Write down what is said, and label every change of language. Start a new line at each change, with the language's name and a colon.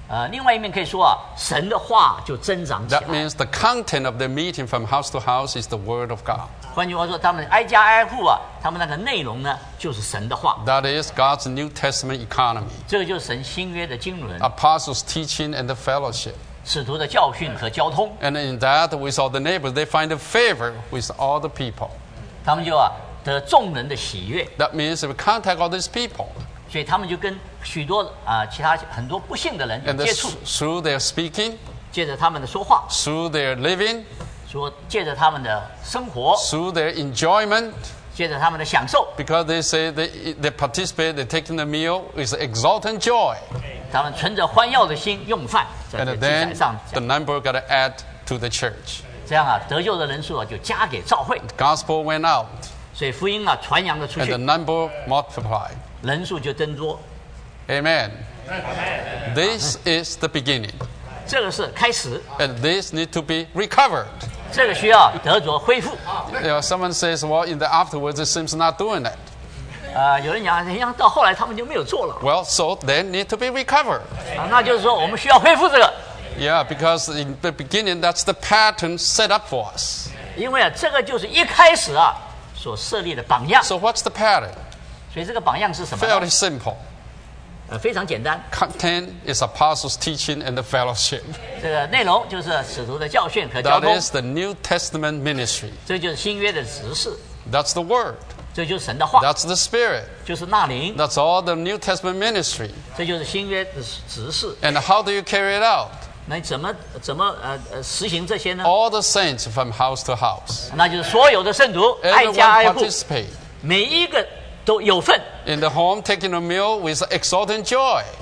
Chinese: 另外一面可以说啊，神的话就增长起来。
English: That means the content of the meeting from house to house is the word of God.
Chinese: 换句话说，他们挨家挨户啊，他们那个内容呢，就是神的话。
English: That is God's New Testament economy.
Chinese: 这个就是神新约的经纶。
English: Apostles' teaching and the fellowship.
Chinese: 使徒的教训和交通。
English: And in that, with all the neighbors, they find a favor with all the people.
Chinese: 他们就得众人的喜悦。
English: That means we contact all these people.
Chinese: 所以他们就跟许多其他很多不幸的人接触。
English: Through their speaking,
Chinese: 借着他们的说话。
English: Through their living,
Chinese: 说借着他们的生活。
English: Through their enjoyment,
Chinese: 借着他们的享受。
English: Because they say they participate, they taking the meal with exultant joy.
Chinese: 他们存着欢耀的心用饭，在记载上。
English: The number got to add to the church.
Chinese: 这样得救的人数就加给召会。
English: The gospel went out.
Chinese: 所以福音传扬了出去。
English: And the number multiplied.
Chinese: 人数就增多。
English: Amen. This is the beginning.
Chinese: 这个是开始。
English: And this need to be recovered.
Chinese: 这个需要得着恢复。
English: Someone says, well, in the afterwards, it seems not doing that.
Chinese: 有人讲，像到后来他们就没有做了。
English: Well, so then need to be recovered.
Chinese: 那就是说我们需要恢复这个。
English: Yeah, because in the beginning, that's the pattern set up for us.
Chinese: 因为这个就是一开始所设立的榜样。
English: So what's the pattern?
Chinese: 所以这个榜样是什么
English: ？Fairly simple.
Chinese: 非常简单。
English: Content is apostles' teaching and the fellowship.
Chinese: 这个内容就是使徒的教训和交通。
English: That is the New Testament ministry.
Chinese: 这就是新约的执事。
English: That's the word.
Chinese: 这就是神的话。
English: That's the spirit.
Chinese: 就是那灵。
English: That's all the New Testament ministry.
Chinese: 这就是新约的执事。
English: And how do you carry it out?
Chinese: 那你怎么实行这些呢？
English: All the saints from house to house.
Chinese: 那就是所有的圣徒挨家挨户。每一个都有份。
English: In the home, taking a meal with exultant joy.